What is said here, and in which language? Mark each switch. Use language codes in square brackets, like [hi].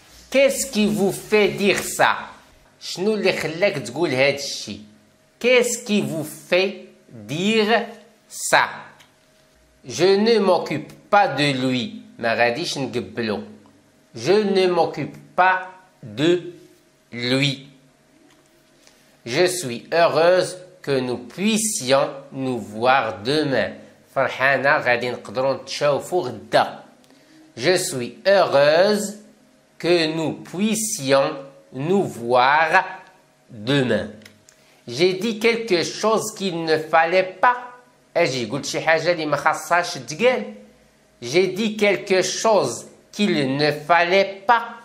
[fr] Qu'est-ce qui vous fait dire ça? [ar] شنو اللي خلاك تقول هذا الشيء؟ [fr] Qu'est-ce qui vous fait dire ça? Je ne m'occupe pas de lui. [ar] ما غاديش نقبلو. [fr] Je ne m'occupe pas de lui. Je suis heureuse que nous puissions nous voir demain. [ar] فرحانة غادي نقدروا نتشاوفوا غدا. [fr] Je suis heureuse que nous puissions nous voir demain. J'ai dit quelque chose qu'il ne fallait pas. [ar] Ajji قلت شي حاجة اللي ما خاصهاش تقال. [fr] J'ai dit quelque chose qu'il ne fallait pas.